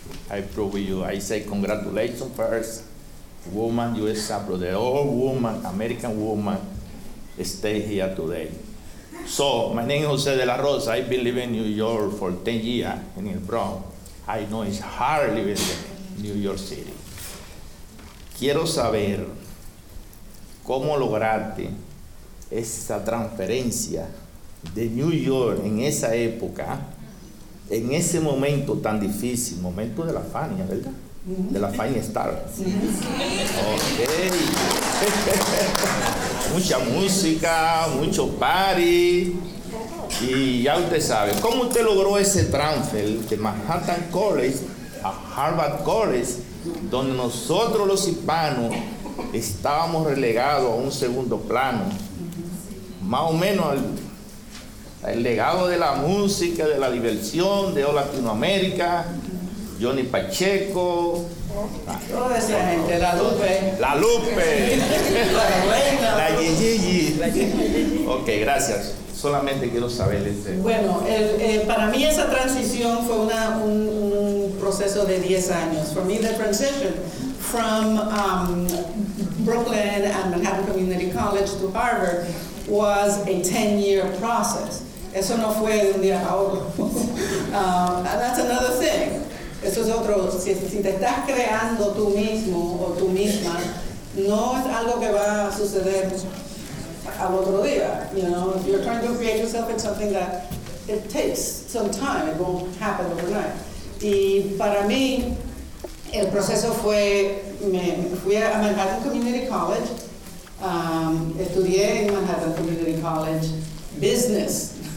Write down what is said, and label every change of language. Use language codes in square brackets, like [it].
[en] I prove with you. I say congratulations first, woman, USA, brother, all woman, American woman, stay here today. So, my name is Jose de la Rosa. I've been living in New York for 10 years in the Bronx. I know it's hard living in New York City. [es] Quiero saber cómo lograrte esa transferencia de New York en esa época. En ese momento tan difícil, momento de la Fania, ¿verdad? De la Fania Star. Ok. Mucha música, mucho party. Y ya usted sabe, ¿cómo usted logró ese transfer de Manhattan College a Harvard College, donde nosotros los hispanos estábamos relegados a un segundo plano? Más o menos el legado de la música, de la diversión, de Latinoamérica, Johnny Pacheco. Toda esa gente, la Lupe. La Lupe. La buena. La Yeyeye. Ok, gracias. Solamente quiero saber. Bueno, para mí esa transición fue un proceso de 10 años. [en] For me, the transition from Brooklyn and Manhattan Community College to Harvard was a 10-year process. [es] Eso no fue de un día a otro. [en] And that's another thing. [es] Eso es otro. Si te estás creando tú mismo o tú misma, no es algo que va a suceder al otro día. [en] You know, if you're trying to create yourself, it's something that it takes some time. It won't happen overnight. [es] Y para mí, el proceso fue, me fui a Manhattan Community College. Estudié en Manhattan Community College Business.